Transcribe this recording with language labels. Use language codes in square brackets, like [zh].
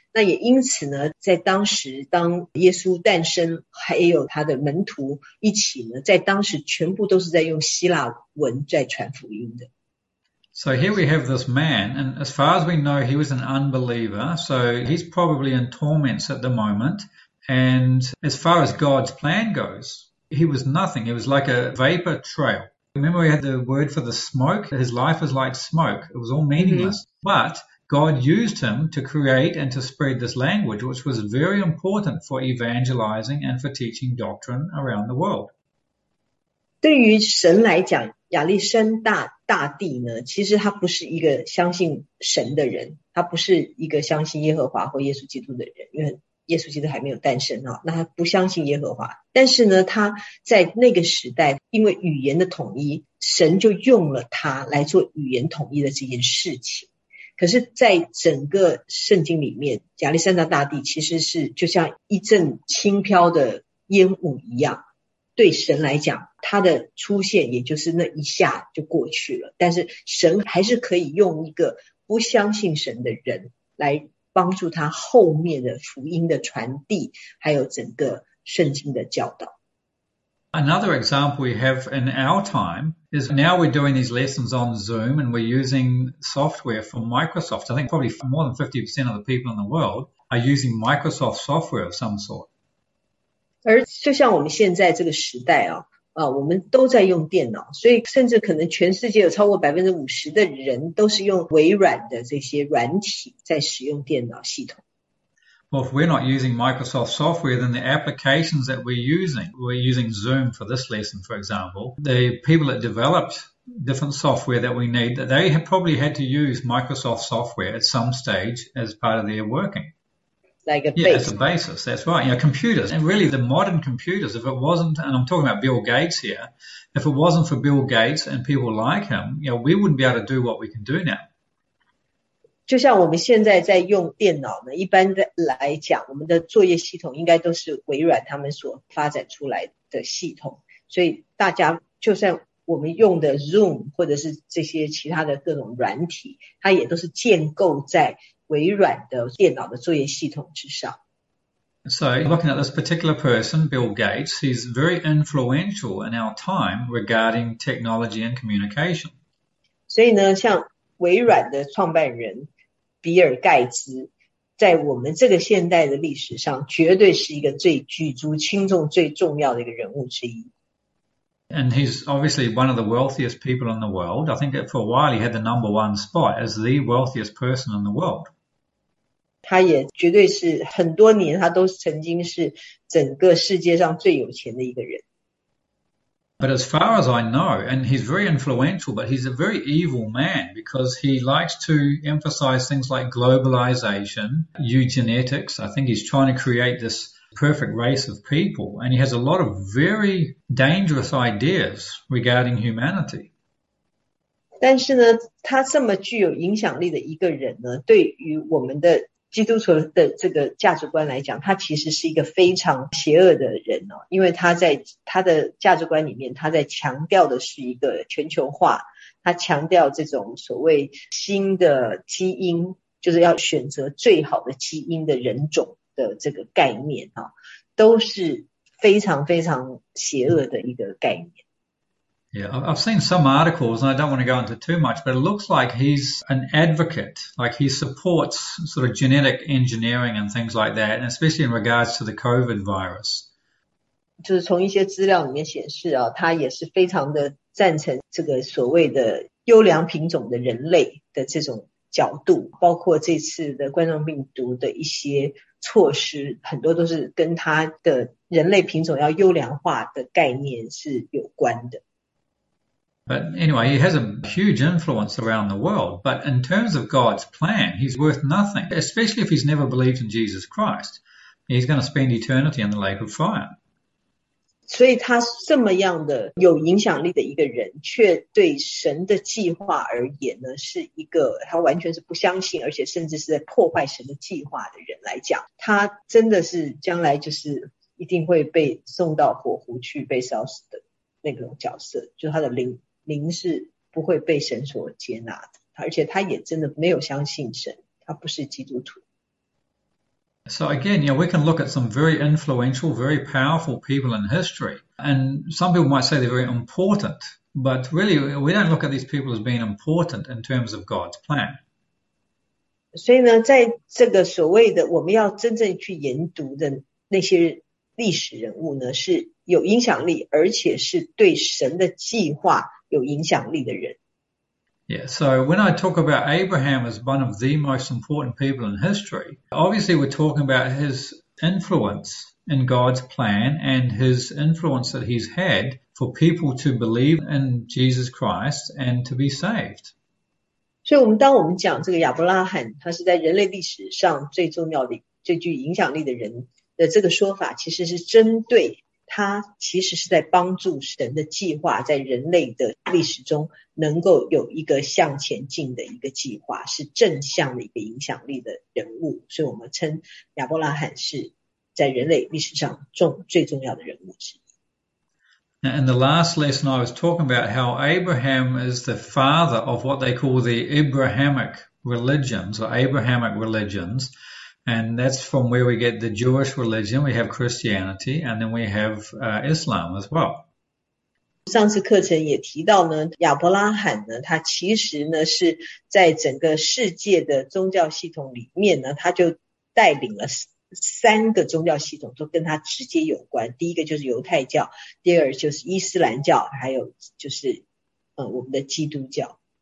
[zh] 那也因此呢，在当时，当耶稣诞生，还有他的门徒一起呢，在当时全部都是在用希腊文在传福音的。 [en] So here we have this man, and as far as we know, he was an unbeliever. So he's probably in torments at the moment. And as far as God's plan goes, he was nothing. He was like a vapor trail. Remember, we had the word for the smoke? His life was like smoke. It was all meaningless. But God used him to create and to spread this language, which was very important for evangelizing and for teaching doctrine around the world. [zh] 对于神来讲，亚历山大大帝呢，其实他不是一个相信神的人，他不是一个相信耶和华或耶稣基督的人，因为耶稣基督还没有诞生啊，那他不相信耶和华。但是呢，他在那个时代，因为语言的统一，神就用了他来做语言统一的这件事情。可是，在整个圣经里面，亚历山大大帝其实是就像一阵轻飘的烟雾一样，对神来讲，他的出现也就是那一下就过去了。但是，神还是可以用一个不相信神的人来帮助他后面的福音的传递，还有整个圣经的教导。 [en] Another example we have in our time is now we're doing these lessons on Zoom and we're using software from Microsoft. I think probably more than 50% of the people in the world are using Microsoft software of some sort. [zh] 而就像我们现在这个时代啊，我们都在用电脑，所以甚至可能全世界有超过50%的人都是用微软的这些软体在使用电脑系统。 [en] Well, if we're not using Microsoft software, then the applications that we're using Zoom for this lesson, for example, the people that developed different software that we need, that they have probably had to use Microsoft software at some stage as part of their working. Like a Yeah, as a base. basis, that's right. Computers, and really the modern computers, if it wasn't, and I'm talking about Bill Gates here, if it wasn't for Bill Gates and people like him, we wouldn't be able to do what we can do now. [zh] 就像我们现在在用电脑呢，一般的来讲，我们的作业系统应该都是微软他们所发展出来的系统。所以大家就算我们用的 Zoom 或者是这些其他的各种软体，它也都是建构在微软的电脑的作业系统之上。 [en] So, looking at this particular person, Bill Gates, he's very influential in our time regarding technology and communication. [zh] 所以呢，像微软的创办人。比尔盖茨在我们这个现代的历史上，绝对是一个最举足轻重、最重要的一个人物之一。 [en] And he's obviously one of the wealthiest people in the world. I think for a while he had the number one spot as the wealthiest person in the world. [zh] 他也绝对是很多年，他都曾经是整个世界上最有钱的一个人。 [en] But as far as I know, and he's very influential, but he's a very evil man because he likes to emphasize things like globalization, eugenetics. I think he's trying to create this perfect race of people, and he has a lot of very dangerous ideas regarding humanity. [zh] 但是呢，他这么具有影响力的一个人呢，对于我们的基督徒的这个价值观来讲，他其实是一个非常邪恶的人哦，因为他在他的价值观里面，他在强调的是一个全球化，他强调这种所谓新的基因，就是要选择最好的基因的人种的这个概念啊，都是非常非常邪恶的一个概念。 [en] Yeah, I've seen some articles, and I don't want to go into too much, but it looks like he's an advocate, like he supports sort of genetic engineering and things like that, and especially in regards to the COVID virus. [zh] 就是从一些资料里面显示啊，他也是非常的赞成这个所谓的优良品种的人类的这种角度，包括这次的冠状病毒的一些措施，很多都是跟他的人类品种要优良化的概念是有关的。 [en] But anyway, he has a huge influence around the world. But in terms of God's plan, he's worth nothing, especially if he's never believed in Jesus Christ. He's going to spend eternity in the lake of fire. [zh] 所以他这么样的有影响力的一个人，却对神的计划而言呢，是一个他完全是不相信，而且甚至是在破坏神的计划的人来讲，他真的是将来就是一定会被送到火湖去被烧死的那种角色，就他的灵是不会被神所接纳的，而且他也真的没有相信神，他不是基督徒。 [en] So again, you know, we can look at some very influential, very powerful people in history. And some people might say they're very important, but really we don't look at these people as being important in terms of God's plan. [zh] 所以呢，在这个所谓的我们要真正去研读的那些历史人物呢，是有影响力，而且是对神的计划有影响力的人。 [en] Yeah, so when I talk about Abraham as one of the most important people in history, obviously we're talking about his influence in God's plan and his influence that he's had for people to believe in Jesus Christ and to be saved. [zh] 所以我们当我们讲这个亚伯拉罕，他是在人类历史上最重要的、最具影响力的人的这个说法，其实是针对他其实是在帮助神的计划在人类的历史中能够有一个向前进的一个计划，是正向的一个影响力的人物，所以我们称亚伯拉罕是在人类历史上最重要的人物之一。 [en] In the last lesson I was talking about how Abraham is the father of what they call the Abrahamic religions or Abrahamic religions,And that's from where we get the Jewish religion, we have Christianity, and then we have Islam as well. [zh] 上次课程也提到呢，亚伯拉罕呢，他其实呢是在整个世界的宗教系统里面呢，他就带领了三个宗教系统都跟他直接有关。第一个就是犹太教，第二就是伊斯兰教，还有就是我们的基督教。